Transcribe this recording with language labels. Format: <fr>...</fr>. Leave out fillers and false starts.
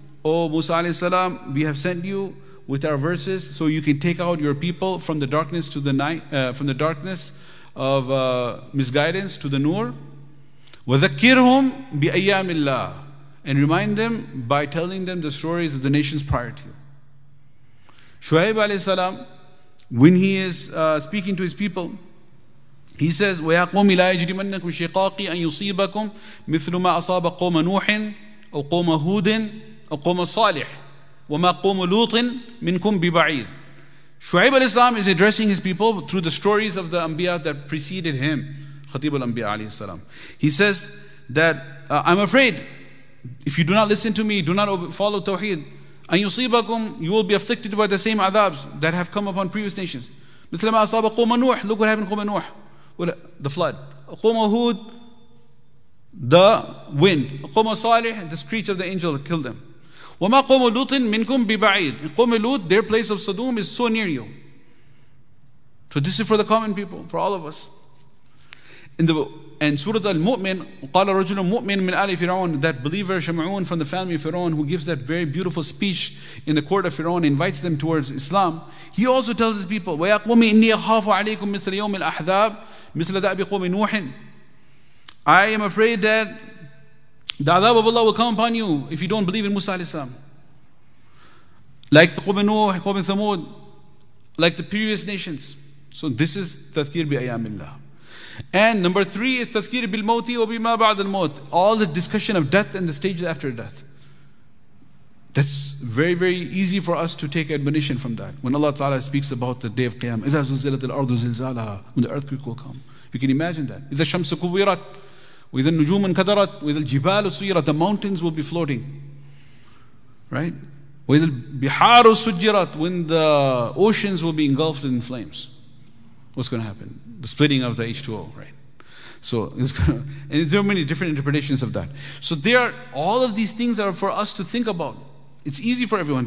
<en>Oh Musa alayhi salam, we have sent you with our verses so you can take out your people from the darkness to the night, from the darkness of misguidance to the nur.</en> <ar>وَذَكِّرْهُمْ بِأَيَّامِ اللَّهِ.</ar> <en>And remind them by telling them the stories of the nations prior to you. Shu'aib alayhi salam, when he is speaking to his people, he says,</en> <ar>وَيَا قُومِ لَا يَجْرِمَنَّكُمْ شِقَاقِي أَن يُصِيبَكُمْ مِثْلُ مَا أَصَابَ قَوْمَ نُوحٍ أَوْ قَوْمَ هُودٍ أَوْ قَوْمَ صَالِحٍ وَمَا قَوْمُ لُوطٍ مِنْكُمْ بِبَعِيدٍ.</ar> <en>Shu'aib alayhi salam is addressing his people through the stories of the Anbiya that preceded him, Khatib al-Anbiya alayhi salam. He says that, I'm afraid, if you do not listen to me, do not follow Tawheed,</en> <ar>أَن يُصِيبَكُمْ,</ar> <en>you will be afflicted by the same adabs that have come upon previous nations.</en> <ar>مِثْلَ مَا أَصَابَ قَوْمَ نُوحٍ,</ar> <en>look what happened to</en> <ar>قَوْمَ نُوحٍ,</ar> <en>the flood.</en> <ar>قَوْمَ هُودٍ,</ar> <en>the wind.</en> <ar>قَوْمَ صَالِحٍ,</ar> <en>the screech of the angel that killed them.</en> <ar>وَمَا قَوْمُ لُوطٍ مِنْكُمْ بِبَعِيدٍ. قَوْمِ لُوطٍ,</ar> <en>their place of Sodom is so near you. So this is for the common people, for all of us. And Surah Al-Mu'min,</en> <ar>قَالَ رَجُلٌ مُؤْمِنٌ مِنْ آلِ فِرَعُونَ,</ar> <en>that believer Shama'un from the family of Fir'aun, who gives that very beautiful speech in the court of Fir'aun, invites them towards Islam, he also tells his people,</en> <ar>وَيَا قُومِ إِنِّي أَخَافُ عَلَيْكُمْ مِثْلَ يَوْمِ الْأَحْذَابِ مِثْلَ دَعْبِ قُومِ نُوحٍ.</ar> <en>I am afraid that the adab of Allah will come upon you if you don't believe in Musa alayhi salam. Like the</en> <ar>قُومِ نُوحِ, قُومِ ثَمُود,</ar> <en>like the previous nations. So this is</en> <ar>تَذْكِير بِأَيَامِ اللَّهِ.</ar> <en>And number three is</en> <ar>tazkir bil mawti wa bima ba'd al mawt,</ar> <en>all the discussion of death and the stages after death. That's very, very easy for us to take admonition from that. When Allah Ta'ala speaks about the day of Qiyam,</en> <ar>إِذَا زُلْزِلَتِ الْأَرْضُ زِلْزَالَهَا,</ar> <en>when the earthquake will come. You can imagine that.</en> <ar>إِذَا الشَّمْسُ كُوِّرَتْ وَإِذَا النُّجُومُ انْكَدَرَتْ وَإِذَا الْجِبَالُ سُيِّرَتْ,</ar> <en>the mountains will be floating. Right?</en> <ar>وَإِذَا الْبِحَارُ سُجِّرَتْ,</ar> <en>when the oceans will be engulfed in flames. What's going to happen? The splitting of the H2O, right? So, and there are many different interpretations of that. So there, all of these things are for us to think about. It's easy for everyone.</en>